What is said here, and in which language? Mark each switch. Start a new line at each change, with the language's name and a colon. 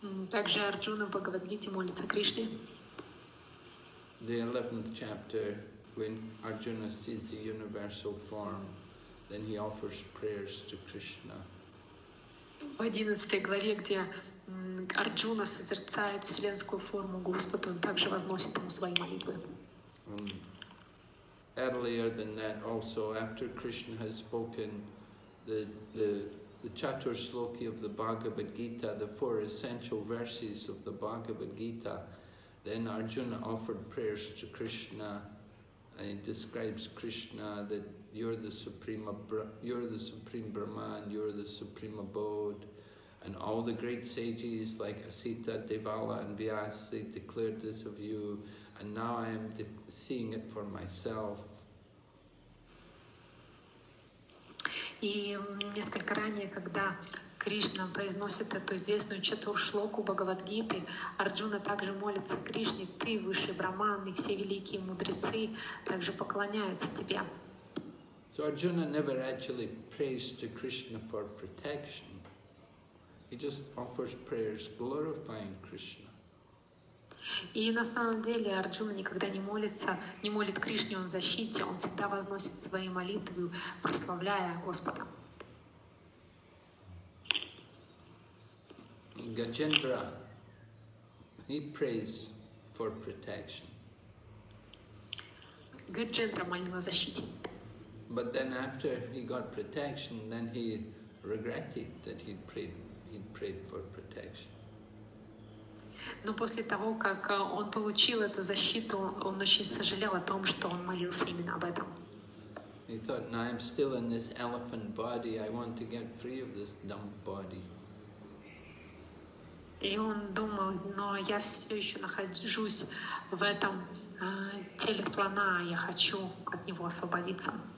Russian: Также Арджуна в Бхагавад-гите молится Кришне.
English: The 11th chapter, when Arjuna sees the universal form, then he offers prayers to Krishna.
Russian: В 11 главе, где Арджуна созерцает вселенскую форму Господу, он также возносит ему свои молитвы.
English: Earlier than that, also after Krishna has spoken the Chatur Shloki of the Bhagavad Gita, the four essential verses of the Bhagavad Gita, then Arjuna offered prayers to Krishna, and he describes Krishna that you're the supreme Brahman, you're the supreme abode, and all the great sages like Asita, Devala, and Vyasa, they declared this of you, and now I am seeing it for myself.
Russian: И несколько ранее, когда Кришна произносит эту известную четвуршлоку Бхагавадгиты, Арджуна также молится Кришне, ты высший Брахман, и все великие мудрецы также поклоняются тебе.
English: So Arjuna never actually prays to Krishna for protection. He just offers prayers glorifying Krishna.
Russian: И на самом деле Арджуна никогда не молится, не молит Кришне о защите, он всегда возносит свои молитвы, прославляя Господа.
English: Gajendra, he prays for protection.
Russian: Gajendra молил о защите.
English: But then after he got protection, then he regretted that he'd prayed for protection.
Russian: Но после того, как он получил эту защиту, он очень сожалел о том, что он молился именно об этом.
English: He thought, "Now I'm still in this elephant body. I want to get free of this dumb body."
Russian: И он думал, но я все еще нахожусь в этом теле плана, я хочу от него освободиться.